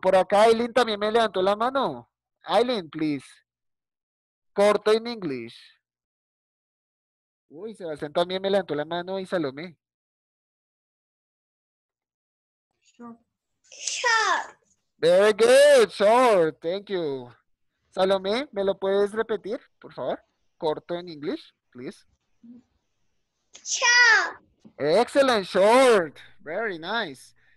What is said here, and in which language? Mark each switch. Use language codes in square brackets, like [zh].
[es] Por acá Aileen también me levantó la mano. Aileen, please. Corto en inglés. Uy, Sebastián también me levantó la mano y Salomé. [en] Short. Very good, short, thank you. [es] Salomé, ¿me lo puedes repetir, por favor? Corto en inglés, please. [en] Short. Excellent, short, very nice.